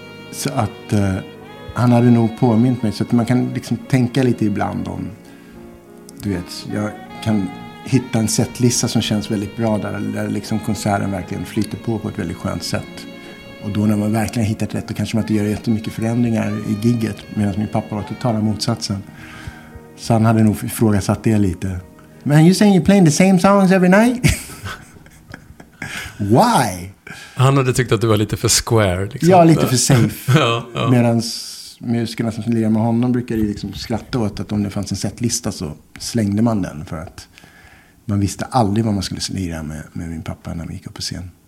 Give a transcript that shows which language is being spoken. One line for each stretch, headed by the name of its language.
Swedish: Så att han hade nog påmint mig, så att man kan liksom tänka lite ibland om, du vet, jag kan hitta en setlista som känns väldigt bra där liksom konserten verkligen flyter på ett väldigt skönt sätt. Och då när man verkligen hittat rätt, då kanske man inte gör jättemycket förändringar i gigget, medan min pappa var totala motsatsen. Så han hade nog ifrågasatt det lite.
English: Man, you saying you're playing the same songs every night? Why?
Swedish: Han hade tyckt att du var lite för square liksom. Ja, lite för safe. Ja. Medans musikerna som lirar med honom brukar ju liksom skratta åt att om det fanns en setlista så slängde man den, för att man visste aldrig vad man skulle lira med min pappa när vi gick upp på scen.